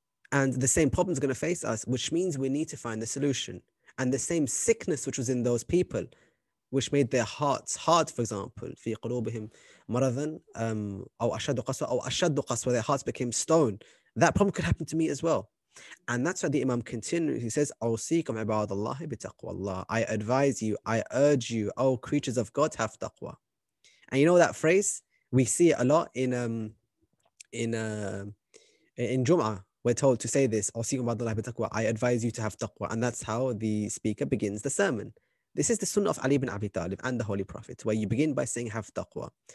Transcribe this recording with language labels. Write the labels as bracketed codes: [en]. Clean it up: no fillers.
[en] And the same problem is going to face us, which means we need to find the solution. And the same sickness which was in those people, which made their hearts hard, for example, [ar] في قلوبهم مرضاً أو أشد قسوة, [en] their hearts became stone. That problem could happen to me as well. And that's why the Imam continues. He says, [ar] أوصيكم عباد الله بتقوى الله. [en] I advise you, I urge you, O creatures of God, have taqwa. And you know that phrase? We see it a lot in Jum'ah. We're told to say this, I advise you to have taqwa. And that's how the speaker begins the sermon. This is the sunnah of Ali ibn Abi Talib and the Holy Prophet, where you begin by saying, have taqwa.